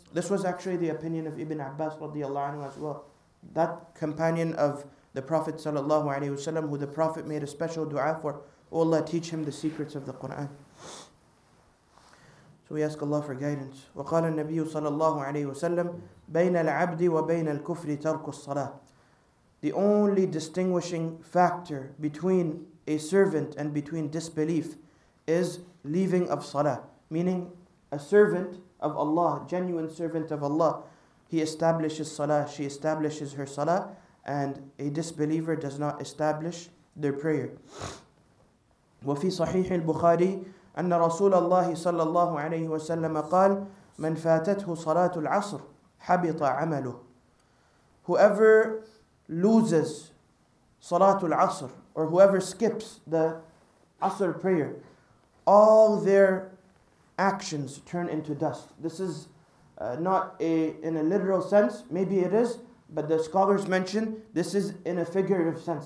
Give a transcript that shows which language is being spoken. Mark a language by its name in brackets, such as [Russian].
[English] This was actually the opinion of Ibn Abbas radiallahu anhu as well. That companion of the Prophet sallallahu alayhi wasallam, who the Prophet made a special dua for, oh Allah, teach him the secrets of the Quran. So we ask Allah for guidance. [Arabic] وقال النبي صلى الله عليه وسلم بين العبد وبين الكفر ترك الصلاة. [English] The only distinguishing factor between a servant and between disbelief is leaving of salah. Meaning, a servant of Allah, genuine servant of Allah, he establishes salah, she establishes her salah, and a disbeliever does not establish their prayer. [Arabic] وفي صحيح البخاري أن رسول الله صلى الله عليه وسلم قال من فاتته صلاة العصر حبط عمله. [English] Whoever loses Salatul Asr, or whoever skips the Asr prayer, all their actions turn into dust. This is not in a literal sense, maybe it is, but the scholars mention this is in a figurative sense.